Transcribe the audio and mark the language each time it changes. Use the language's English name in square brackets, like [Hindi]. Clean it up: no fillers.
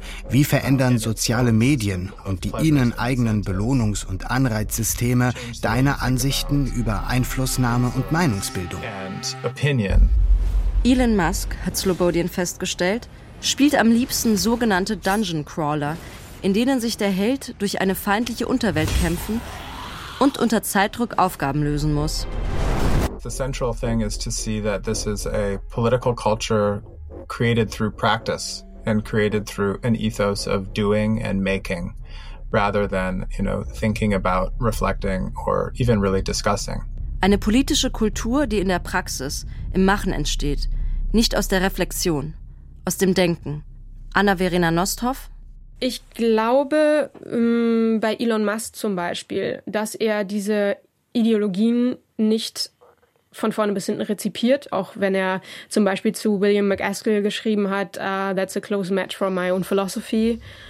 [German] Wie verändern soziale Medien und die ihnen eigenen Belohnungs- und Anreizsysteme deine Ansichten über Einflussnahme und Meinungsbildung? Elon Musk, hat Slobodian festgestellt, spielt am liebsten sogenannte Dungeon Crawler, in denen sich der Held durch eine feindliche Unterwelt kämpfen und unter Zeitdruck Aufgaben lösen muss. [English] The central thing is to see that this is a political culture created through practice and created through an ethos of doing and making rather than, you know, thinking about, reflecting or even really discussing. [German] Eine politische Kultur, die in der Praxis, im Machen entsteht, nicht aus der Reflexion, aus dem Denken. Anna Verena Nosthoff. Ich glaube, bei Elon Musk zum Beispiel, dass er diese Ideologien nicht von vorne bis hinten rezipiert, auch wenn er zum Beispiel zu William McAskill geschrieben hat, [English] that's a close match for my own philosophy.